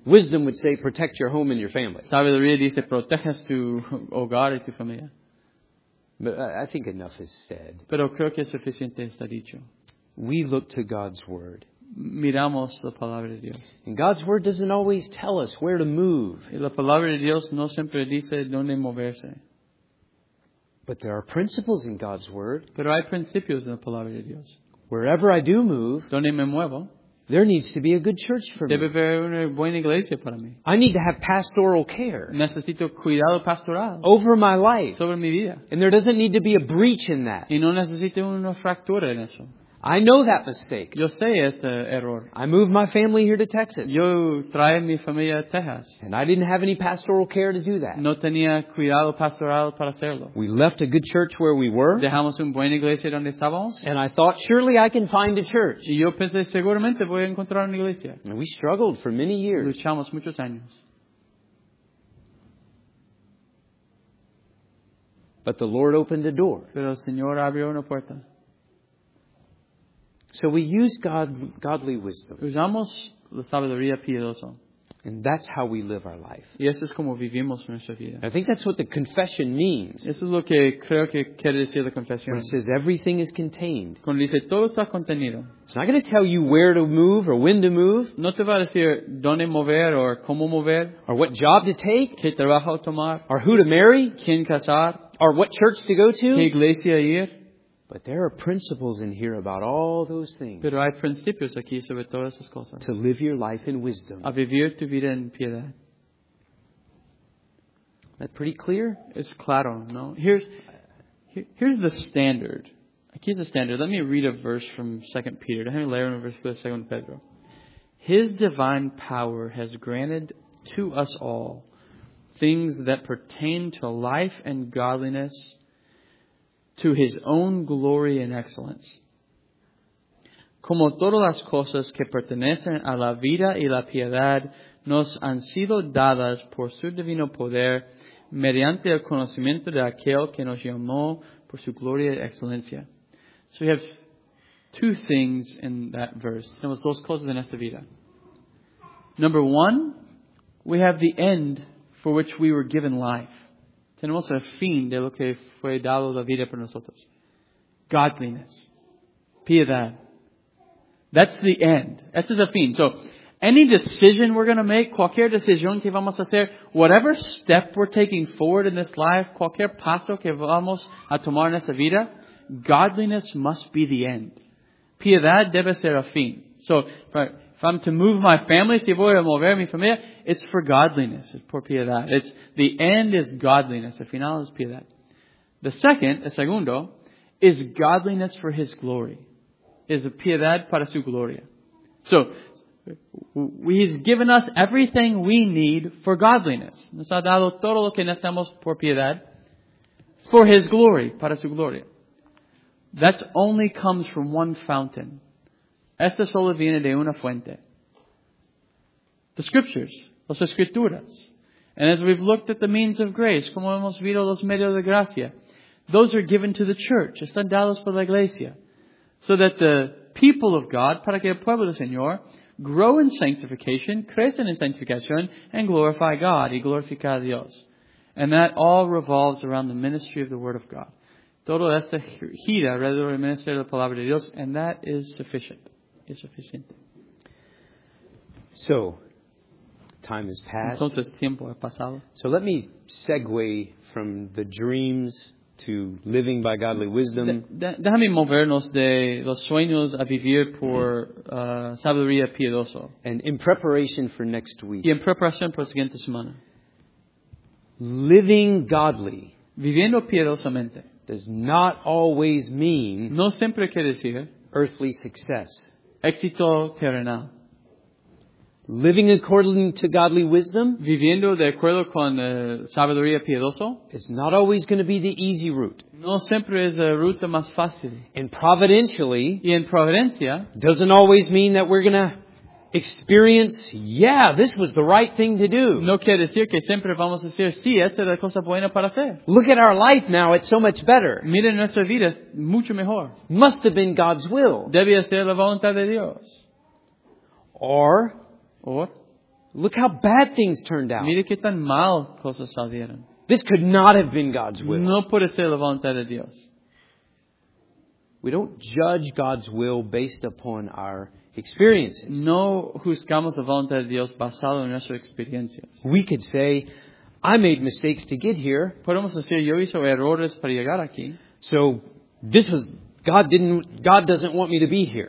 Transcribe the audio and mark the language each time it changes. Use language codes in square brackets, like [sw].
[en] wisdom would say protect your home and your family. [es] Sabiduría dice proteges tu hogar y tu familia. [en] But I think enough is said. [es] Pero creo que suficiente está dicho. [en] We look to God's word. [es] Miramos la palabra de Dios. [en] And God's word doesn't always tell us where to move. [es] Y la palabra de Dios no siempre dice dónde moverse. [en] But there are principles in God's word. [es] Pero hay principios en la palabra de Dios. [en] Wherever I do move, [es] donde me muevo, [en] there needs to be a good church for me. [es] Debe haber una buena iglesia para mí. [en] I need to have pastoral care. [es] Necesito cuidado pastoral. [en] Over my life. [es] Sobre mi vida. [en] And there doesn't need to be a breach in that. [es] Y no necesito una fractura en eso. [en] I know that mistake. [es] Yo sé este error. [en] I moved my family here to Texas. [es] Yo traje mi familia a Texas. [en] And I didn't have any pastoral care to do that. [es] No tenía cuidado pastoral para hacerlo. [en] We left a good church where we were. [es] Dejamos una buena iglesia donde estábamos. [en] And I thought, surely I can find a church. [es] Y yo pensé, seguramente voy a encontrar una iglesia. [en] And we struggled for many years. [es] Luchamos muchos años. [en] But the Lord opened a door. [es] Pero el Señor abrió una puerta. [en] So we use godly wisdom. [es] Usamos la sabiduría piadosa. [en] And that's how we live our life. [es] Y eso es como vivimos nuestra vida. [en] I think that's what the confession means. [es] Eso es lo que creo que quiere decir la confesión. [en] When it says everything is contained. [es] Cuando dice todo está contenido. [en] It's not going to tell you where to move or when to move. [es] No te va a decir dónde mover or cómo mover. [en] Or what job to take. [es] Qué trabajo tomar. [en] Or who to marry. [es] Quién casar. [en] Or what church to go to. [es] Qué iglesia ir. [en] But there are principles in here about all those things. [es] Pero hay principios aquí sobre todas esas cosas. [en] To live your life in wisdom. [es] A vivir tu vida en piedad. [en] That's pretty clear? [es] Es claro, no? [en] Here's the standard. [es] Aquí es el standard. [en] Let me read a verse from 2 Peter. [es] Déjame leer un versículo de 2 Pedro. [en] His divine power has granted to us all things that pertain to life and godliness to his own glory and excellence. [es] Como todas las cosas que pertenecen a la vida y la piedad nos han sido dadas por su divino poder mediante el conocimiento de aquel que nos llamó por su gloria y excelencia. [en] So we have two things in that verse. [es] Tenemos dos cosas en esta vida. [en] Number one, we have the end for which we were given life. [es] Tenemos el fin de lo que fue dado la vida para nosotros. Godliness. Piedad. [en] That's the end. [es] Ese es el fin. [en] So, any decision we're going to make, [es] cualquier decisión que vamos a hacer, [en] whatever step we're taking forward in this life, [es] cualquier paso que vamos a tomar en esta vida, [en] godliness must be the end. [es] Piedad debe ser el fin. [en] So, if I'm to move my family, [es] si voy a mover mi familia, [en] it's for godliness. It's [es] por piedad. [en] It's the end is godliness. The final is piedad. The second, [es] el segundo, [en] is godliness for his glory. [es] Is a piedad para su gloria. [en] So, he's given us everything we need for godliness. [es] Nos ha dado todo lo que necesitamos por piedad. [en] For his glory, [es] para su gloria. [en] That only comes from one fountain. [es] Esta solo viene de una fuente. [en] The scriptures. [es] Las escrituras. [en] And as we've looked at the means of grace, [es] como hemos visto los medios de gracia, [en] those are given to the church. [es] Están dados por la iglesia. [en] So that the people of God, [es] para que el pueblo del Señor, [en] grow in sanctification, [es] crecen en sanctificación, [en] and glorify God, [es] y glorifica a Dios. [en] And that all revolves around the ministry of the Word of God. [es] Todo esto gira alrededor del ministerio de la Palabra de Dios, [en] and that is sufficient. [es] Es suficiente. [en] So, time has passed. [es] Entonces, tiempo ha pasado. [en] So let me segue from the dreams to living by godly wisdom. [es] Déjame movernos de los sueños a vivir por sabiduría piadosa. [en] And in preparation for next week. [es] Y en preparación para la siguiente semana. [en] Living godly. [es] Viviendo piadosamente. [en] Does not always mean. [es] No siempre quiere decir. [en] Earthly success. [es] Éxito terrenal. [en] Living according to godly wisdom, [es] viviendo de acuerdo con sabiduría piadosa, [en] is not always going to be the easy route. [es] No siempre es la ruta más fácil. [en] And providentially, [es] y en providencia, [en] doesn't always mean that we're going to experience, yeah, this was the right thing to do. [es] No quiere decir que siempre vamos a decir, sí, esta es la cosa buena para hacer. [en] Look at our life now, it's so much better. [es] Mira nuestra vida, mucho mejor. [en] Must have been God's will. [es] Debía ser la voluntad de Dios. [en] Or, look how bad things turned out. [es] Mira qué tan mal cosas salieron. [en] This could not have been God's will. [es] No puede ser la voluntad de Dios. [en] We don't judge God's will based upon our experiences. [es] No juzgamos la voluntad de Dios basado en nuestras experiencias. [en] We could say, I made mistakes to get here. [es] Podemos decir, yo hice errores para llegar aquí. [en] So, this was, God doesn't want me to be here.